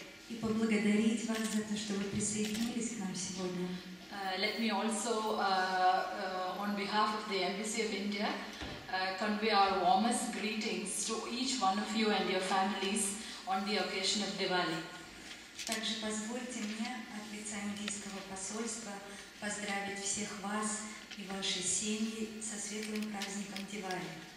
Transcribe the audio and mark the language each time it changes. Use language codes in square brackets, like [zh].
[ru] И поблагодарить вас за то, что вы присоединились к нам сегодня. [en] Let me also, on behalf of the Embassy of India, convey our warmest greetings to each one of you and your families on the occasion of Diwali. [ru] Также позвольте мне от лица индийского посольства поздравить всех вас и ваши семьи со светлым праздником Дивали.